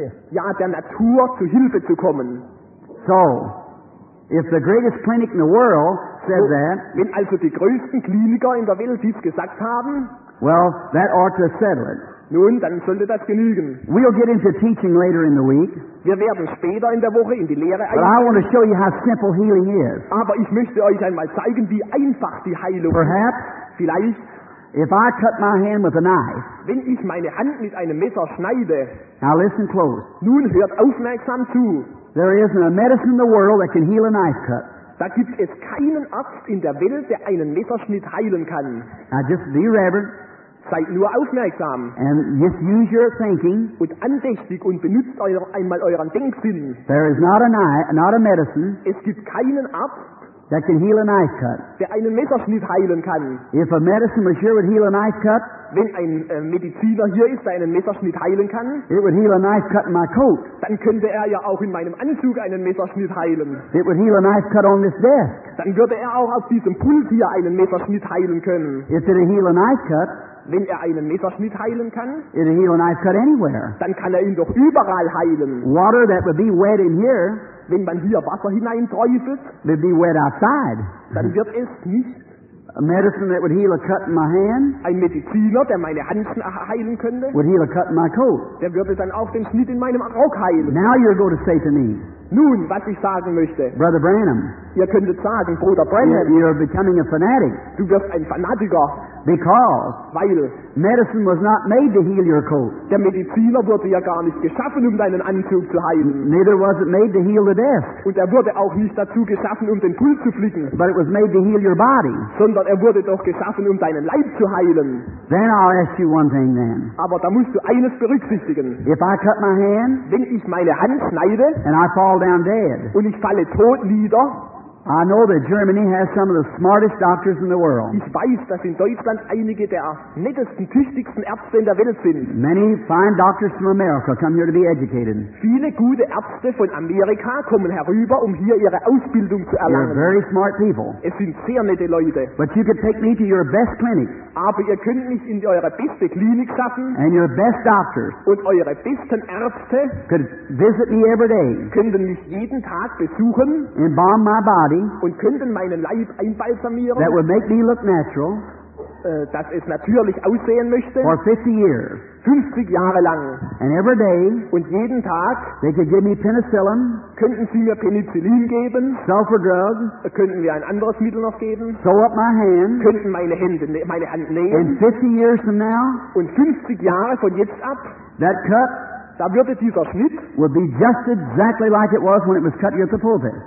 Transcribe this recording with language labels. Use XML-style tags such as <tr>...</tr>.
<de>Ja, der Natur zu Hilfe zu kommen.</de> <en>So, if the greatest clinic in the world said that,</en> <de>wenn also die größten Kliniker in der Welt dies gesagt haben,</de> <en>well, that ought to settle it.</en> <de>Nun, dann sollte das genügen.</de> <en>We'll get into teaching later in the week.</en> <de>Wir werden später in der Woche in die Lehre eingehen.</de> <en>But I want to show you how simple healing is.</en> <de>Aber ich möchte euch einmal zeigen, wie einfach die Heilung</de> <en>perhaps,</en> <de>ist. Vielleicht,</de> <en>if I cut my hand with a knife,</en> <de>wenn ich meine Hand mit einem Messer schneide,</de> <en>now listen close.</en> <de>Nun hört aufmerksam zu.</de> <en>There isn't a medicine in the world that can heal a knife cut.</en> <de>Da gibt es keinen Arzt in der Welt, der einen Messerschnitt heilen kann.</de> <en>Now just be reverent.</en> <de>Seid nur aufmerksam.</de> <en>And just use your thinking.</en> <de>Und andächtig und benutzt einmal euren Denksinn.</de> <en>There is not a medicine.</en> <de>Es gibt keinen Arzt,</de> <en>that can heal a knife cut.</en> <de>Der einen Messerschnitt heilen kann.</de> <en>If a medicine was here would heal a knife cut,</en> <de>wenn ein Mediziner hier ist, der einen Messerschnitt heilen kann,</de> <en>it would heal a knife cut in my coat.</en> <de>Dann könnte er ja auch in meinem Anzug einen Messerschnitt heilen.</de> <en>It would heal a knife cut on this desk.</en> <de>Dann würde er auch auf diesem Pult hier einen Messerschnitt heilen können.</de> <en>If it would heal a knife cut,</en> <de>wenn er einen Messerschnitt heilen kann,</de> <en>it would heal a knife cut anywhere.</en> <de>Dann kann er ihn doch überall heilen.</de> <en>Water that would be wet in here,</en> <de>wenn man hier Wasser hineinträufelt,</de> <en>would be wet outside.</en> <de>Dann wird es nicht.</de> <en>A medicine that would heal a cut in my hand,</en> <de>ein Mediziner, der meine Hand heilen könnte,</de> <en>would heal a cut in my coat.</en> <de>Der würde dann auch den Schnitt in meinem Rock heilen.</de> <en>Now you're going to say to me,</en> <de>nun, was ich sagen möchte,</de> <en>Brother Branham,</en> <de>ihr könntet sagen, Bruder Branham,</de> <en>you're becoming a fanatic.</en> <de>Du wirst ein Fanatiker.</de> <en>Because,</en> <de>weil</de> <en>medicine was not made to heal your coat.</en> <de>Der Mediziner wurde ja gar nicht geschaffen, um deinen Anzug zu heilen.</de> <en>Neither was it made to heal the desk.</en> <de>Und er wurde auch nicht dazu geschaffen, um den Pult zu flicken.</de> <en>But it was made to heal your body.</en> <de>Sondern er wurde doch geschaffen, um deinen Leib zu heilen.</de> <en>Then I'll ask you one thing then.</en> <de>Aber da musst du eines berücksichtigen.</de> <en>If I cut my hand,</en> <de>wenn ich meine Hand schneide,</de> <en>and I fall down dead,</en> <de>und ich falle tot nieder,</de> <en>I know that Germany has some of the smartest doctors in the world.</en> <de>Ich weiß, dass in Deutschland einige der nettesten, tüchtigsten Ärzte in der Welt sind.</de> <en>Many fine doctors from America come here to be educated.</en> <de>Viele gute Ärzte von Amerika kommen herüber, um hier ihre Ausbildung zu erlangen.</de> <en>They're very smart people.</en> <de>Es sind sehr nette Leute.</de> <en>But you could take me to your best clinic.</en> <de>Aber ihr könnt mich in eure beste Klinik schaffen.</de> <en>And your best doctors.</en> <de>Und eure besten Ärzte.</de> <en>Could visit me every day.</en> <de>Könnten mich jeden Tag besuchen.</de> <en>Embalm my body.</en> <de>Und könnten meinen Leib einbalsamieren.</de> <en>That would make me look natural.</en> <de>Dass es natürlich aussehen möchte.</de> <en>For 50 years.</en> <de>50 Jahre lang.</de> <en>And every day.</en> <de>Und jeden Tag.</de> <en>They could give me penicillin.</en> <de>Könnten sie mir Penicillin geben.</de> <en>Sulfur drug.</en> <de>Könnten wir ein anderes Mittel noch geben.</de> <en>Sew up my hand.</en> <de>Könnten meine Hand nähen.</de> <en>And 50 years from now.</en> <de>Und 50 Jahre von jetzt ab.</de> <en>That cut.</en> <de>Da würde dieser Schnitt</de> <en>would be just exactly like it was when it was cut here at the pulpit.</en>